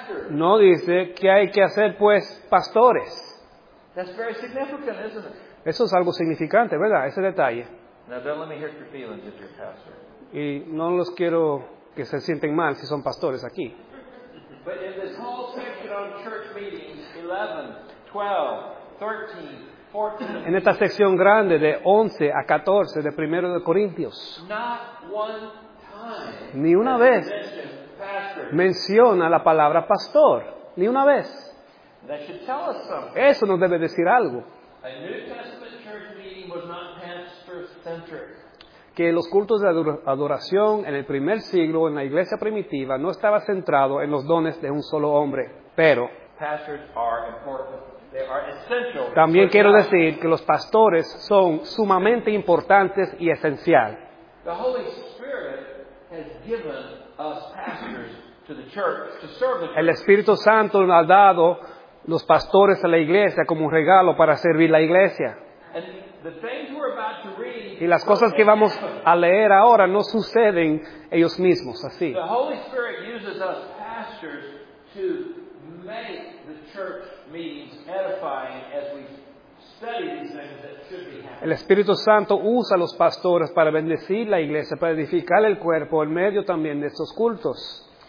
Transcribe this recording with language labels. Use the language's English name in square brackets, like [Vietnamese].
[Spanish] No dice que hay que hacer, pues, pastores. [English] That's very significant, isn't it? [Spanish] Eso es algo significante, ¿verdad? Ese detalle. [English] Now, don't let me hurt your feelings if you're a pastor. [Spanish] Y no los quiero que se sienten mal si son pastores aquí. [English] But in this whole section on church meetings, 11, 12, 13, 14, [Spanish] en esta sección grande de 11 a 14 de 1 de Corintios, [English] not one time, [Spanish] ni una vez menciona la palabra pastor, ni una vez. [English] That should tell us something. [Spanish] Eso nos debe decir algo. [English] A New Testament church meeting was not pastor-centric. [Spanish] Que los cultos de adoración en el primer siglo en la iglesia primitiva no estaba centrado en los dones de un solo hombre, pero [English] pastors are important. They are essential. [Spanish] También quiero decir que los pastores son sumamente importantes y esencial. [English] The Holy Spirit has given us pastors to the church, to serve the church. [Spanish] El Espíritu Santo nos ha dado los pastores a la iglesia como un regalo para servir la iglesia. [English] And the things we're about to read, [Spanish] y las cosas que vamos a leer ahora no suceden ellos mismos así. [English] The Holy Spirit uses us pastors to make the church meetings edifying as we study these things that should be happening. [Spanish] El Espíritu Santo usa a los pastores para bendecir la iglesia, para edificar el cuerpo en medio también de estos cultos.